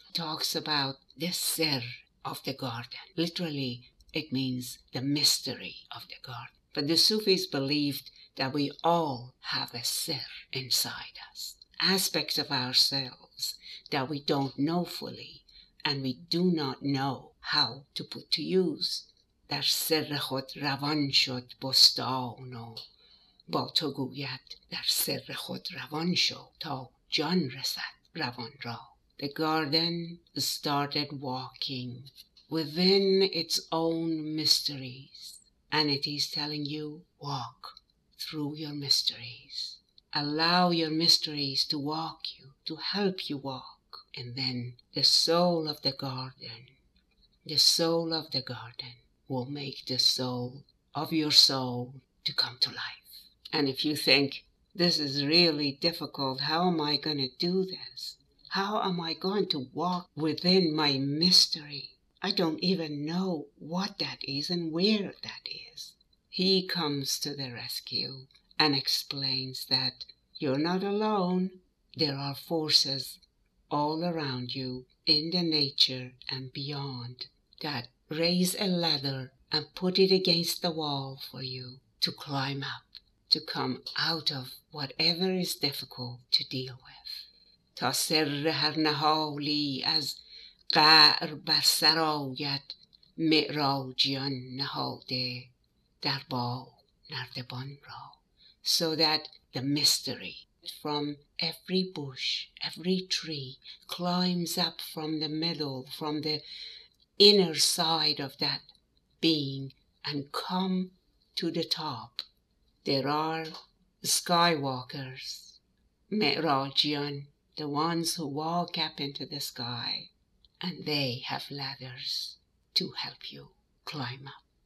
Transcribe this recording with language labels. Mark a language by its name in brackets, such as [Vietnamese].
[English] Talks about the sir of the garden. Literally, it means the mystery of the garden. But the Sufis believed that we all have a sir inside us, aspects of ourselves that we don't know fully, and we do not know how to put to use. [Persian] در سر خود روان شد بستان و با تو گوید در سر خود روان شد تا جان رسد روان را. [English] The garden started walking within its own mysteries, and it is telling you, walk through your mysteries. Allow your mysteries to walk you, to help you walk. And then the soul of the garden, the soul of the garden will make the soul of your soul to come to life. And if you think, this is really difficult, how am I going to do this? How am I going to walk within my mystery? I don't even know what that is and where that is. He comes to the rescue and explains that you're not alone. There are forces all around you in the nature and beyond that raise a ladder and put it against the wall for you to climb up, to come out of whatever is difficult to deal with. [Persian] تا سر هر نهالی از قعر بر سر آید معراجیان نهاده در باغ نردبان را. [English] So that the mystery from every bush, every tree climbs up from the middle, from the inner side of that being, and come to the top. There are skywalkers, معراجیان, the ones who walk up into the sky, and they have ladders to help you climb up.